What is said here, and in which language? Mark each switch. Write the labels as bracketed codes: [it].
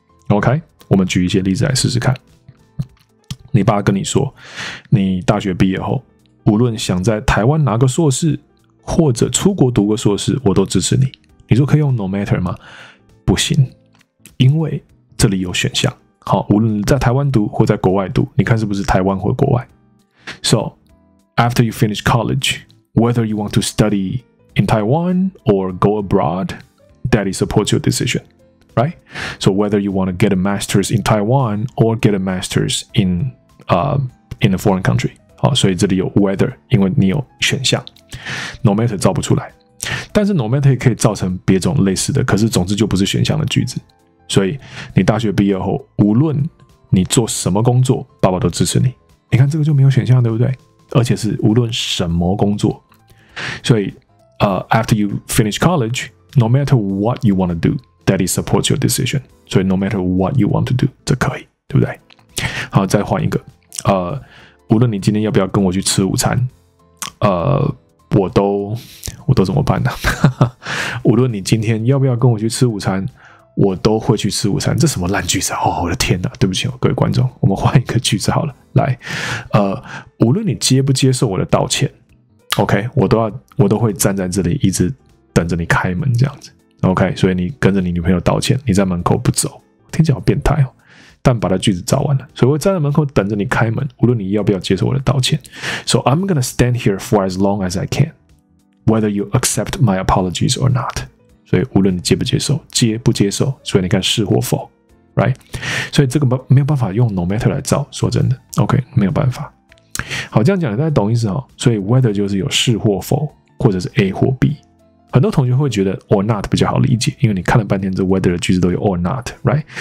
[zh] OK， 我们举一些例子来试试看。你爸跟你说，你大学毕业后，无论想在台湾拿个硕士，或者出国读个硕士，我都支持你。你说可以用 no matter 吗？不行，因为这里有选项。好，无论在台湾读或在国外读，你看是不是台湾或国外。 [en] So after you finish college, whether you want to study in Taiwan or go abroad, daddy supports your decision, right? So whether you want to get a master's in Taiwan or get a master's in a foreign country. [zh] 好，所以这里有 whether， 因为你有选项。No matter 造不出来，但是 no matter 也可以造成别种类似的，可是总之就不是选项的句子。所以你大学毕业后，无论你做什么工作，爸爸都支持你。你看这个就没有选项，对不对？而且是无论什么工作。所以 [en] after you finish college, no matter what you want to do, daddy supports your decision. [zh] 所以 [en] no matter what you want to do, [zh] 这可以，对不对？好，再换一个。无论你今天要不要跟我去吃午餐，我都怎么办呢？无论你今天要不要跟我去吃午餐，我都会去吃午餐。这什么烂句子啊！哦，我的天哪，对不起，各位观众，我们换一个句子好了。来，无论你接不接受我的道歉。 OK， 我都会站在这里一直等着你开门这样子。 OK， 所以你跟着你女朋友道歉，你在门口不走，听起来好变态哦。但把他句子造完了，所以我站在门口等着你开门，无论你要不要接受我的道歉。 [en] So I'm gonna stand here for as long as I can, whether you accept my apologies or not. [zh] 所以无论你接不接受，接不接受，所以你看是或否 ，right？所以这个没有办法用 no matter 来造，说真的 ，OK， 没有办法。好，这样讲大家懂意思哦。所以 whether 就是有是或否，或者是 A 或 B。很多同学会觉得 or not 比较好理解，因为你看了半天这 whether 的句子都有 or not， right？